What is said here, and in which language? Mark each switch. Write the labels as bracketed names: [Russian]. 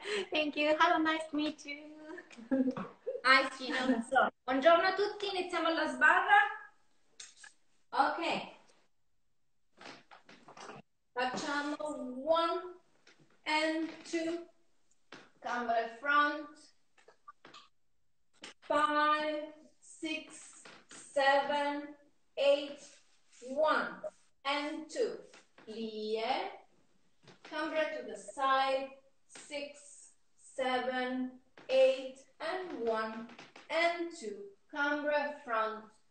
[English] Thank you, have a nice to meet you. Hi Shino, so, [Italian] buongiorno a tutti, iniziamo alla sbarra. Ok. [English] Facciamo one and two, gambe front, five, six, seven, eight, one and two, plie, gambe to the side, six, seven, eight and one and two, gambe front,